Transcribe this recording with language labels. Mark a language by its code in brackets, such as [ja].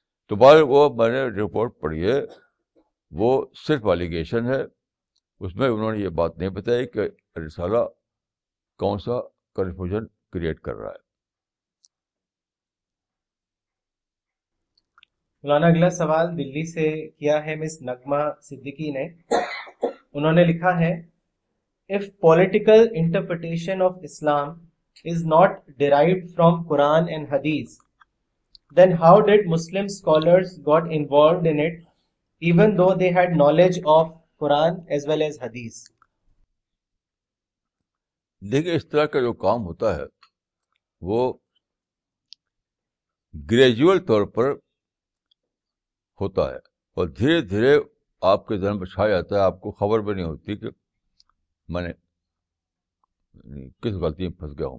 [ur] تو بہر وہ میں نے رپورٹ پڑھی ہے, وہ صرف الیگیشن ہے. اس میں انہوں نے یہ بات نہیں بتائی کہ رسالہ کون سا کنفیوژن کریٹ کر رہا ہے. مولانا اگلا سوال دلی سے کیا ہے مس نغمہ صدیقی نے. انہوں نے لکھا ہے, [en] If political interpretation of Islam is not derived from Quran and Hadith then how did Muslim scholars got involved in it even though they had knowledge of Quran as well as Hadith? [ur] دیکھیں اس طرح کا جو کام ہوتا ہے وہ gradual طور پر ہوتا ہے اور دھیرے دھیرے آپ کے ذہن میں چھا جاتا ہے, آپ کو خبر بھی نہیں ہوتی کہ میں نے کس غلطی میں پھنس گیا ہوں.